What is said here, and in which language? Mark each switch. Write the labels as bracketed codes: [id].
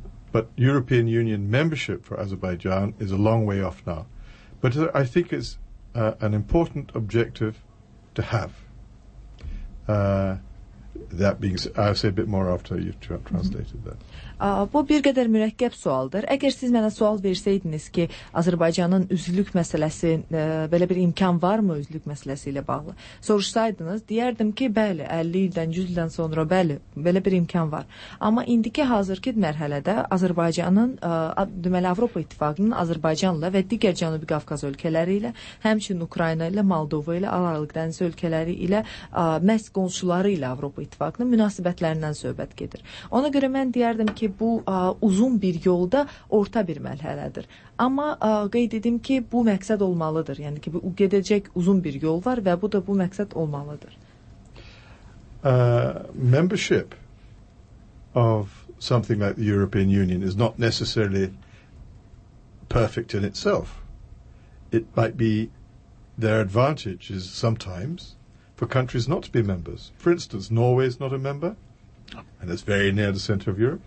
[en] But European Union membership for Azerbaijan is a long way off now. But I think it's an important objective to have. That being said, I'll say a bit more after you've translated that. [az] Bu bir qədər mürəkkəb sualdır. Əgər siz mənə sual versəydiniz ki, Azərbaycanın üzvlük məsələsi, belə bir imkan var mı üzvlük məsələsi ilə bağlı? Soruşsaydınız, deyərdim ki, bəli, 50 ildən, 100 ildən sonra, bəli, belə bir imkan var. Amma indiki hazırki mərhələdə Azərbaycanın, deməli, Avropa İttifaqının Azərbaycanla və digər Cənubi Qafqaz ölkələri ilə, həmçinin Ukrayna ilə, Moldova ilə, Aralıq dənizi ölkələri ilə, məhz qonşuları ilə Avropa İttifaqının münasibətlərindən söhbət gedir. Ona görə mən deyərdim ki, bu uzun bir yolda orta bir mərhələdir. Amma qeyd edim ki, bu məqsəd olmalıdır. Yəni ki, bu gedəcək uzun bir yol var və bu da bu məqsəd olmalıdır. [en] Membership of something like the European Union is not necessarily perfect in itself. It might be their advantage is sometimes for countries not to be members. For instance, Norway is not a member. And it's very near the center of Europe.